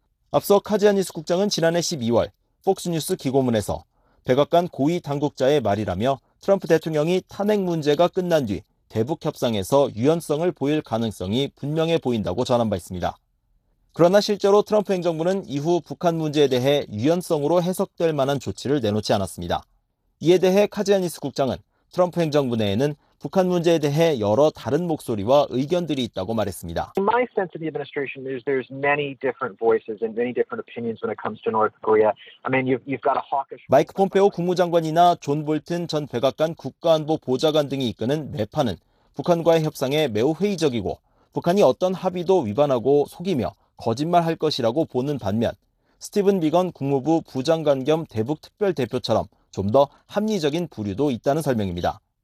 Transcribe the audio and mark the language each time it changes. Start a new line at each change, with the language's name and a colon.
Korean: 앞서 카지아니스 국장은 지난해 12월 폭스뉴스 기고문에서 백악관 고위 당국자의 말이라며 트럼프 대통령이 탄핵 문제가 끝난 뒤 대북 협상에서 유연성을 보일 가능성이 분명해 보인다고 전한 바 있습니다. 그러나 실제로 트럼프 행정부는 이후 북한 문제에 대해 유연성으로 해석될 만한 조치를 내놓지 않았습니다. 이에 대해 카지아니스 국장은 트럼프 행정부 내에는 북한 문제에 대해 여러 다른 목소리와 의견들이 있다고 말했습니다.
English: My sense of the administration is there's many different voices and many different opinions when it comes to North Korea. I mean, you've got a hawkish
Korean: 마이크 폼페오 국무장관이나 존 볼튼 전 백악관 국가안보 보좌관 등이 이끄는 매파는 북한과의 협상에 매우 회의적이고 북한이 어떤 합의도 위반하고 속이며 거짓말할 것이라고 보는 반면 스티븐 비건 국무부 부장관 겸 대북특별대표처럼 좀 더 합리적인 부류도 있다는 설명입니다.